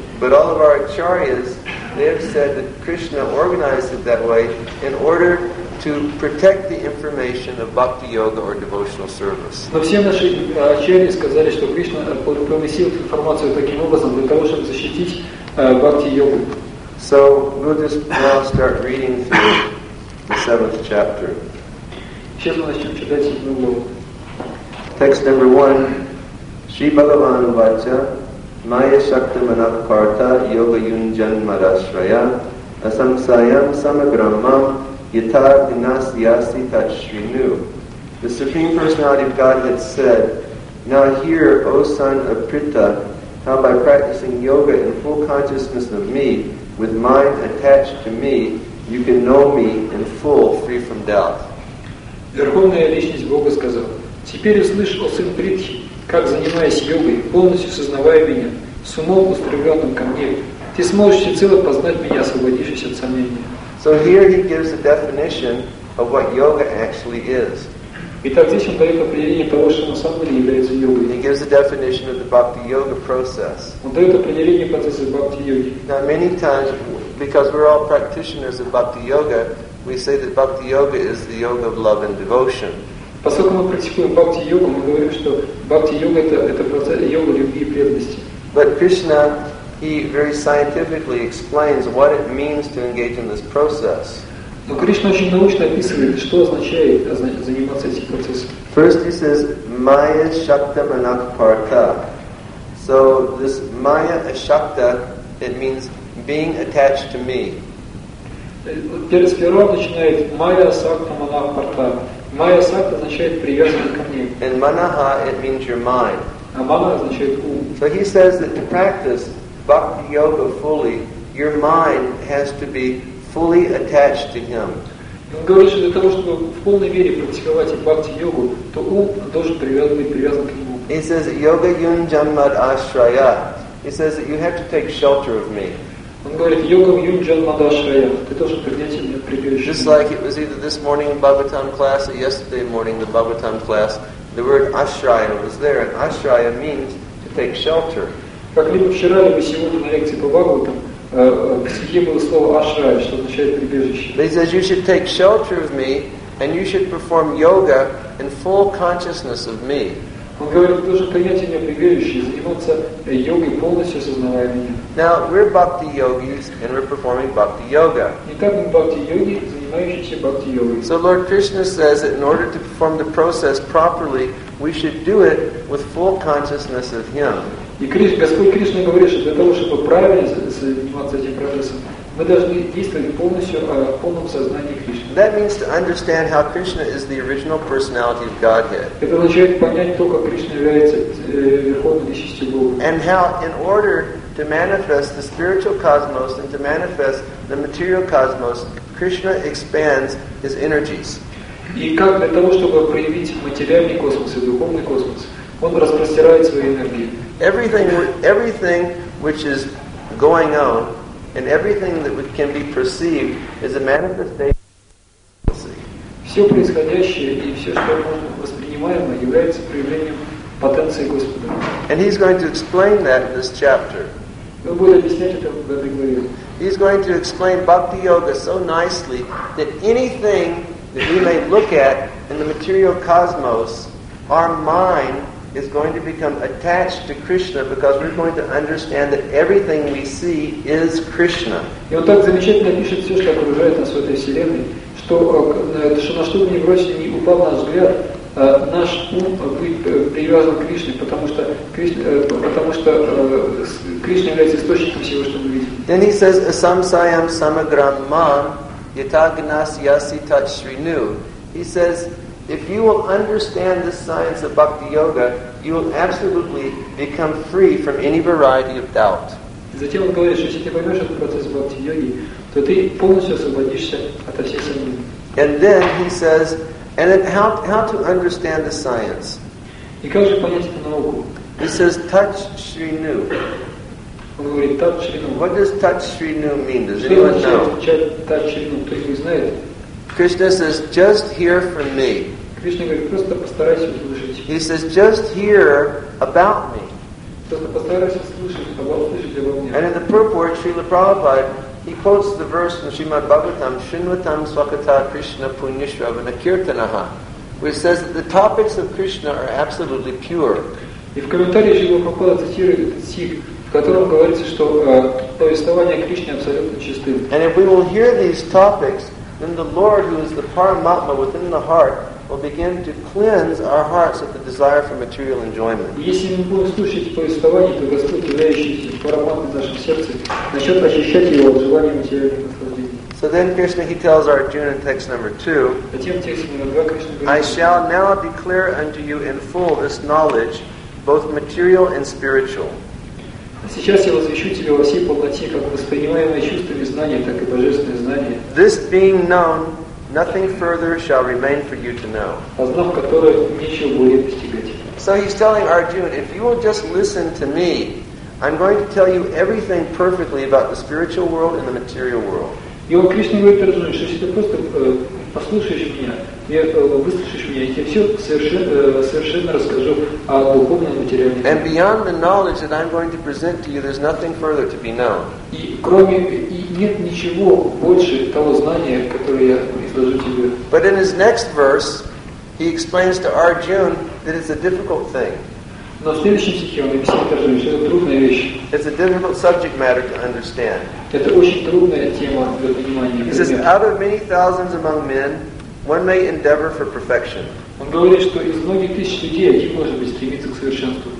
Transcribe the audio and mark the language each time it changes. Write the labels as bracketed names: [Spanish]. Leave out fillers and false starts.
[English] But all of our acharyas, they have said that Krishna organized it that way in order to protect the information of bhakti yoga or devotional service. [Russian] Но все наши ачарьи сказали, что Кришна поместил информацию таким образом для того, чтобы защитить бхакти йогу. [English] So we'll just now start reading through the seventh chapter. [Russian] Сейчас мы начнем читать седьмую главу. [English] Text number one. [Sanskrit] Shri Bhagavan Vacha. Maya Shakti Manat Parta Yoga Yunjan Marashraya Asam Sayam Samagramam Yata Dinasyasi Tat Srinu. [English] The Supreme Personality of Godhead said, now hear, O son of Pritha, how by practicing yoga in full consciousness of me, with mind attached to me, you can know me in full, free from doubt. [Russian] Верховная Личность Бога сказала, теперь услышь, о сын Притхи, как, занимаясь йогой, полностью сознавая меня, с умом устремленным ко мне, ты сможешь всецело познать меня, освободившись от сомнения. [English] So here he gives a definition of what yoga actually is. [Russian] Итак, здесь он дает определение того, что на самом деле является йогой. [English] He gives a definition of the bhakti-yoga process. [Russian] Он дает определение процесса бхакти-йоги. [English] Now many times, because we're all practitioners of bhakti-yoga, we say that bhakti-yoga is the yoga of love and devotion. [Russian] Поскольку мы практикуем бхакти-йогу, мы говорим, что бхакти-йога это процесс йога любви и преданности. [English] But Krishna, he very scientifically explains what it means to engage in this process. [Russian] Но Кришна очень научно описывает, что означает заниматься этим процессом. [English] First he says, [Sanskrit] Maya Shakta Manat Parta. [English] So this [Sanskrit] Maya Shakta, [English] it means being attached to me. [Russian] Перед сперва начинает [Sanskrit] Maya Shakta Manat Parta. [Russian] Майя сакта означает привязанность ко мне. [English] And manaha, it means your mind. [Russian] А манаха означает ум. [English] So he says that to practice bhakti yoga fully, your mind has to be fully attached to him. [Russian] Он говорит, что для того, чтобы в полной мере практиковать бхакти йогу, то ум должен привязан к нему. [English] He says [Sanskrit] yoga yun janmad ashraya. [English] He says that you have to take shelter of me. [Russian] Он говорит, [Sanskrit] йогам юн джанмад ашрая. [Russian] Ты должен принять меня прибежище. [English] Just like it was either this morning in Bhagavatam class or yesterday morning in the Bhagavatam class, the word ashraya was there, and ashraya means to take shelter. [Russian] Как либо вчера, либо сегодня на лекции по Бхагаватам, в стихе было слово ашрая, что означает прибежище. [English] He says you should take shelter of me, and you should perform yoga in full consciousness of me. [Russian] Он говорит, ты должен принять меня прибежище, заниматься йогой, полностью осознавая меня. [English] Now, we're bhakti yogis, and we're performing bhakti yoga. [Russian] Итак, мы бхакти йоги, занимающиеся бхакти йогой. [English] So Lord Krishna says that in order to perform the process properly, we should do it with full consciousness of Him. [Russian] И Господь Кришна говорит, что для того, чтобы правильно заниматься этим процессом, мы должны действовать полностью в полном сознании Кришны. [English] That means to understand how Krishna is the original personality of Godhead. [Russian] Это означает понять то, как Кришна является верховной личностью Бога. [English] And how, in order to manifest the spiritual cosmos and to manifest the material cosmos, Krishna expands his energies. [Russian] И как для того, чтобы проявить материальный космос и духовный космос, он распростирает свои энергии. [English] Everything which is going on and everything that can be perceived is a manifestation of potency. [Russian] Все происходящее и все, что мы воспринимаем, является проявлением потенции Господа. [English] And he's going to explain that in this chapter. [Russian] Он будет объяснять это в этой главе. [English] He's going to explain bhakti yoga so nicely that anything that we may look at in the material cosmos, our mind is going to become attached to Krishna because we're going to understand that everything we see is Krishna. [Russian] И вот так замечательно пишет все, что окружает нас в этой вселенной, что на что бы ни бросили, ни упал наш взгляд, наш ум будет привязан к Кришне, потому что Кришна является источником всего, что мы видим. [English] Then he says, [Sanskrit] asamsayam samagram mam yatagnasyasi tachshrinu. [English] He says, if you will understand this science of bhakti yoga, you will absolutely become free from any variety of doubt. [Russian] Затем он говорит, что если ты поймешь этот процесс бхакти йоги, то ты полностью освободишься от всех сомнений. [English] And then he says, and then how to understand the science? [Russian] И как же понять эту науку? [English] He says, [Sanskrit] touch shrinu. [Russian] Он говорит, [Sanskrit] touch shrinu. [English] What does [Sanskrit] touch shrinu [English] mean? Does anyone know? [Sanskrit] Touch shrinu, [Russian] кто не знает? [English] Krishna says, just hear from me. [Russian] Krishna говорит, просто постарайся услышать. [English] He says, just hear about me. [Russian] Просто постарайся слышать, обо мне. [English] And in the purport, Srila Prabhupada, he quotes the verse from Srimad Bhagavatam, [Sanskrit] Shrinvatam Swakata Krishna Punyashravana Kirtanaha, [English] which says that the topics of Krishna are absolutely pure. [Russian] И в комментарии Srila Prabhupada цитирует этот стих, в котором говорится, что повествование Кришны абсолютно чистым. [English] And if we will hear these topics, then the Lord, who is the Paramatma within the heart, will begin to cleanse our hearts of the desire for material enjoyment. [Russian] Если мы будем слушать повествование, то Господь, являющийся Параматмой в нашем сердце, начнет ощущать его желание материального наслаждения. [English] So then Krishna, he tells Arjuna in text number 2, I shall now declare unto you in full this knowledge, both material and spiritual. [Russian] Сейчас я возвещу тебе во всей полноте, как воспринимаемое чувствами знания, так и божественное знание. [English] This being known, nothing further shall remain for you to know. [Russian] А знав которое, нечего будет достигать. [English] So he's telling Arjuna, if you will just listen to me, I'm going to tell you everything perfectly about the spiritual world and the material world. [Russian] И он Кришна говорит Арджуне, что если ты просто послушаешь меня, выслушаешь меня, я тебе все совершенно расскажу о духовном материале. [English] And beyond the knowledge that I'm going to present to you, there's nothing further to be known. [Russian] И нет ничего больше того знания, которое я изложу тебе. [English] But in his next verse, he explains to Arjuna that it's a difficult thing. [Russian] Но в следующем стихе он объясняет Арджуне, что это трудная вещь. [English] It's a difficult subject matter to understand. [Russian] Это очень трудная тема для понимания. [English] He says, out of many thousands among men, one may endeavor for perfection. [Russian] Он говорит, что из многих тысяч людей один может быть стремиться к совершенству.